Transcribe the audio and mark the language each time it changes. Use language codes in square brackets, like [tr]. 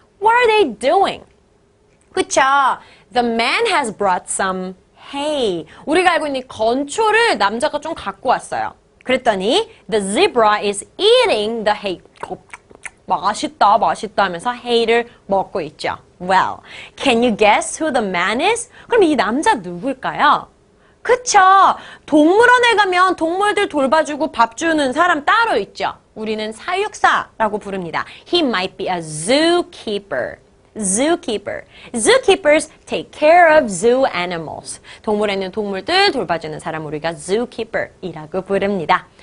[en] What are they doing? [ko] 그쵸? [en] The man has brought some hay. [ko] 우리가 알고 있는 건초를 남자가 좀 갖고 왔어요. 그랬더니 [en] the zebra is eating the hay. [ko] 맛있다, 맛있다 하면서 hay를 먹고 있죠. [en] Well, can you guess who the man is? [ko] 그럼 이 남자 누굴까요? 그쵸? 동물원에 가면 동물들 돌봐주고 밥 주는 사람 따로 있죠. 우리는 사육사라고 부릅니다. [en] He might be a zookeeper. Zookeeper. Zookeepers take care of zoo animals. [ko] 동물에 있는 동물들 돌봐주는 사람 우리가 zookeeper이라고 부릅니다.